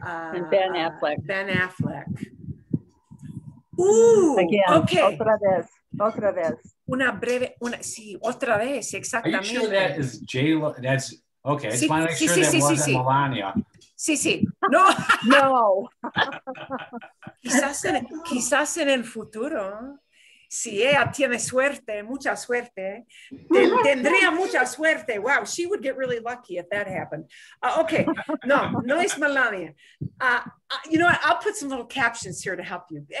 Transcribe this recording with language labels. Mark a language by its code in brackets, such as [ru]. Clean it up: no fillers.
[en] And Ben Affleck. Ben Affleck. Ooh. Again. Okay. [es] Otra vez. Una breve. Sí, otra vez. Exactamente. [en] Are you sure that is J-Lo? That's okay. I just want to make sure that wasn't Melania. [es] Sí, sí. No. No. quizás en el futuro, si ella tiene suerte, mucha suerte, tendría mucha suerte. [en] Wow, she would get really lucky if that happened. Okay, [es] no es Melania. [en] You know what, I'll put some little captions here to help you.